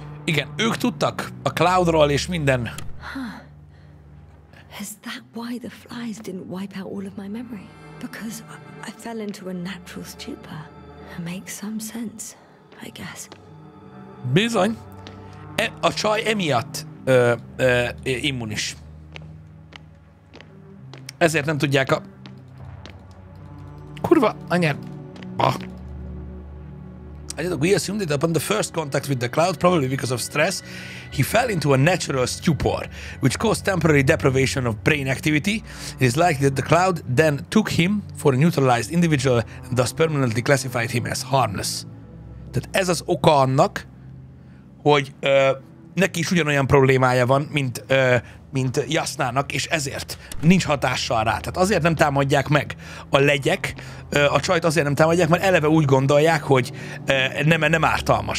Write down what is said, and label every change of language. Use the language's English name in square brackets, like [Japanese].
[Hungarian] Igen, ők tudtak a Cloudról és minden. Huh. [English] Is that why the flies didn't wipe out all of my memory? Because I fell into a natural stupor. It makes some sense, I guess. [Hungarian] Bizony. A csaj emiatt immunis. Ezért nem tudják a... Kurva, anyád. Bah. [English] We assumed that upon the first contact with the cloud, probably because of stress, he fell into a natural stupor, which caused temporary deprivation of brain activity. It is likely that the cloud then took him for a neutralized individual and thus permanently classified him as harmless. [Hungarian] Tehát ez az oka annak, hogy neki is ugyanolyan problémája van, mint Jasnának, és ezért nincs hatással rá. Tehát azért nem támadják meg a legyek, a csajt azért nem támadják, mert eleve úgy gondolják, hogy nem ártalmas.